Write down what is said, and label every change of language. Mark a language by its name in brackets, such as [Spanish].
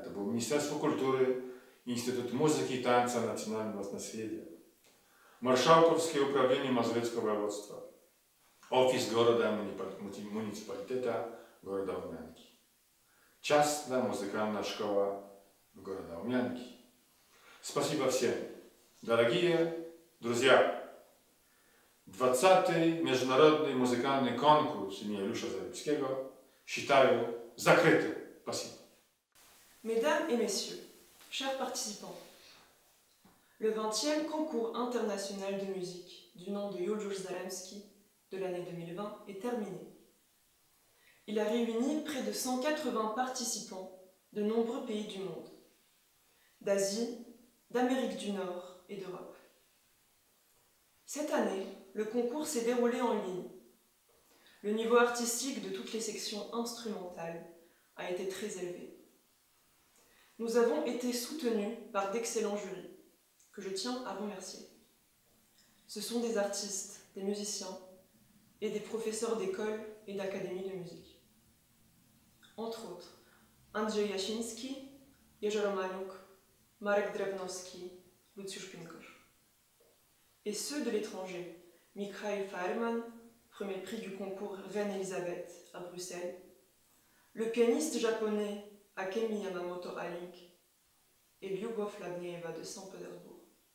[Russian] Это было Министерство культуры, Институт музыки и танца национального наследия, Маршалковское управление Мазовецкого воеводства, офис города муниципалитета города Умянки, частная музыкальная школа в городе Умянки. Спасибо всем. Дорогие друзья, 20. [Polish] Międzynarodowy Muzykalny Konkurs im. [Russian] Lusza Zabickiego считаю закрытым. Спасибо. [French] Mesdames et messieurs, chers participants, le 20e concours international de musique du nom de Jozsó Zaremski de l'année 2020 est terminé. Il a réuni près de 180 participants de nombreux pays du monde, d'Asie, d'Amérique du Nord et d'Europe. Cette année, le concours s'est déroulé en ligne. Le niveau artistique de toutes les sections instrumentales a été très élevé. Nous avons été soutenus par d'excellents jurys, que je tiens à remercier. Ce sont des artistes, des musiciens et des professeurs d'école et d'académie de musique. Entre autres, Andrzej Jasiński, Jerzy Maluk, Marek Drewnowski, Lucjusz Pinkosz. Et ceux de l'étranger, Mikhail Feiermann, premier prix du concours Reine Elisabeth à Bruxelles, le pianiste japonais Akemi Yamamoto Alink et Lyubov Lavnieva de Saint-Pétersbourg.